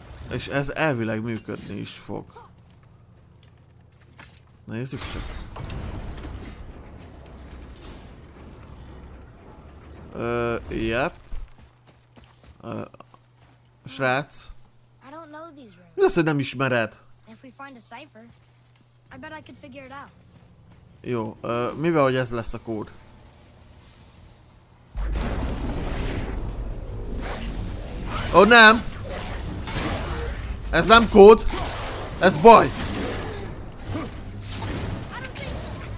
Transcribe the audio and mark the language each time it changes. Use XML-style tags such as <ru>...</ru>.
<hu>És ez elvileg működni is fog. Nézzük csak.</hu> <en>Yep.</en> <hu>Srác.</hu> <en>I don't know these rooms.</en> <hu>Mi lesz, hogy nem ismered?</hu> <en>If we find a cipher, I bet I could figure it out.</en> <hu>Jó, mivel hogy ez lesz a kód? Ó, nem! Ez nem kód! Ez baj!</hu> <en>I don't think...</en>